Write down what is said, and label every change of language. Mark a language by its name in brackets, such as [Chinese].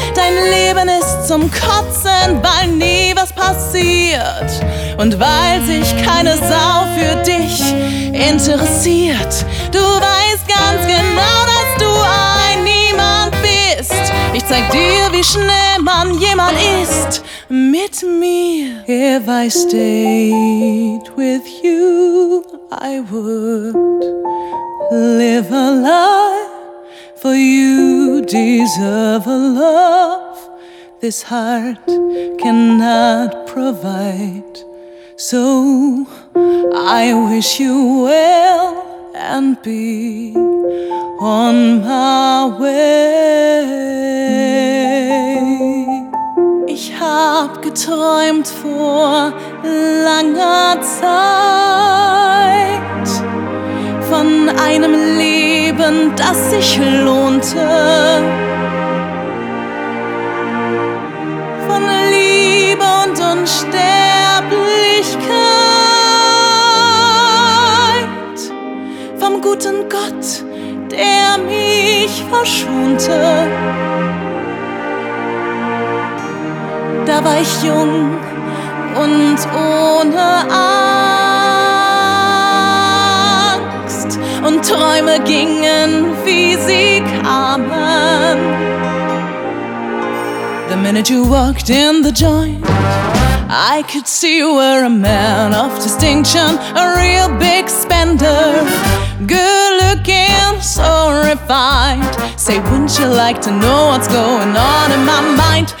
[German] Dein Leben ist zum Kotzen, weil nie was passiert und weil sich keine Sau für dich interessiert. Du weißt ganz genau, dass du ein Niemand bist. Ich zeig dir, wie schnell man jemand ist mit mir. [English] If I stayed with you, I would live a lie, for you deserve a love this heart cannot provide. So I wish you well and be on my way. [German] Ich hab geträumt vor langer Zeit von einem Leben, das sich lohnte, von Liebe und Unsterblichkeit, vom guten Gott, der mich verschonte. Da war ich jung und ohne Angst, und Träume gingen, wie sie kamen. [English] The minute you walked in the joint, I could see you were a man of distinction, a real big spender, good looking, so refined. Say, wouldn't you like to know what's going on in my mind?